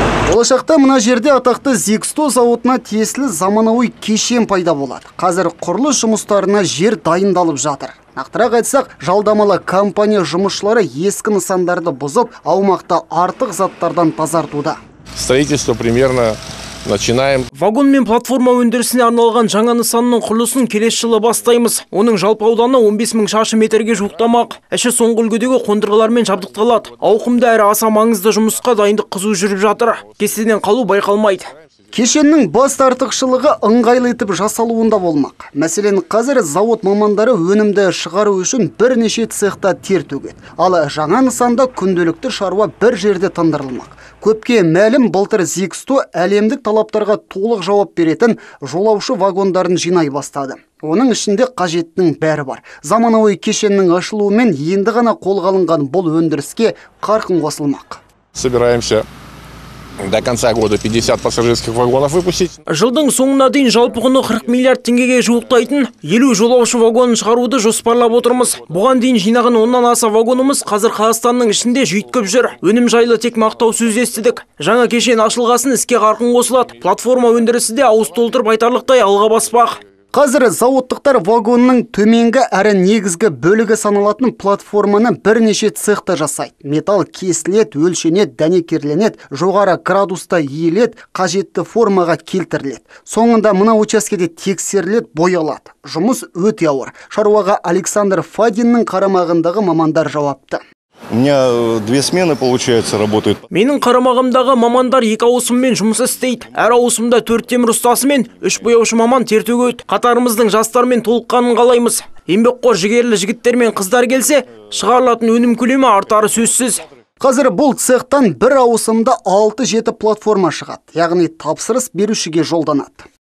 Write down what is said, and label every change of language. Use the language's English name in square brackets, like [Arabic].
[Kazakh] Болашақта мына жерде атақты Зексто зауытына тиесілі заманауи кешен пайда болады. Қазір құрылыс жұмыстарына жер дайындалып жатыр. Нақтырақ айтсақ, жалдамалы компания жұмысшылары ескі нысандарды бұзып, аумақта артық заттардан тазартуда. [Russian] Строительство примерно начинаем. [Kazakh] Вагон мен платформа өндірісіне арналған жаңа нысанның құрылысын келесі жылы бастаймыз. Оның жалпы ауданы 15 000 шаршы метрге жуықтамақ. Іші соңғы үлгідегі қондырғылармен жабдықталады. Ауқымды әрі аса маңызды жұмысқа дайындық қызу жүріп жатыр. Кестеден қалу байқалмайды. Кешеннің бас артықшылығы ыңғайлы етіп жасалуында болмақ. Мәселен, қазір зауыт мамандары өнімді шығару үшін бірнеше цехта тер төгеді. Ал жаңа нысанда күнделікті шаруа бір жерде тындырылмақ. Көпке мәлім, былтыр Зексто әлемдік талаптарға толық жауап беретін жолаушы вагондарын жинай бастады. Оның ішінде қажеттің бәрі бар. Заманауи кешеннің ашылуымен енді ғана қолға алынған бұл өндіріске қарқын қосылмақ. [Russian] Собираемся до конца года 50 пассажирских вагонов выпустить. [Kazakh] Жылдың соңына дейін жалпы құны 40 миллиард теңгеге жуықтайтын 50 жолаушы вагонын шығаруды жоспарлап отырмыз. Бұған дейін жинаған 10-нан аса вагонымыз қазір Қазақстанның ішінде жүйткіп жүр. Өнім жайлы тек мақтау сөз естідік. Жаңа кешен ашылғасын іске қарқын қосылады. Платформа өндірісі де ауыз толтырып айтарлықтай алға баспақ. Қазір зауыттықтар вагонның төменгі әрі негізгі бөлігі саналатын платформаны бірнеше цехта жасайды. Метал кесілет, өлшенет, дәнекерленет, жоғары градуста иілет, қажетті формаға келтірілет. Соңында мына учаскеде тексерілет, боялады. Жұмыс өте ауыр. Шаруаға Александр Фадиннің қарамағындағы мамандар жауапты. [Russian] У меня две смены получается работают. [Kazakh] Менің қарамағымдағы мамандар екі ауысыммен жұмыс істейді. Әр ауысымда төрт темір ұстасы мен үш бояушы маман тер төгеді. Қатарымыздың жастармен толыққанын қалаймыз. Еңбекқор жігерлі жігіттер мен қыздар келсе, шығарылатын өнім көлемі артары сөзсіз. Қазір бұл цехтан бір ауысымда 6-7 платформа шығады, яғни тапсырыс берушіге жолданады.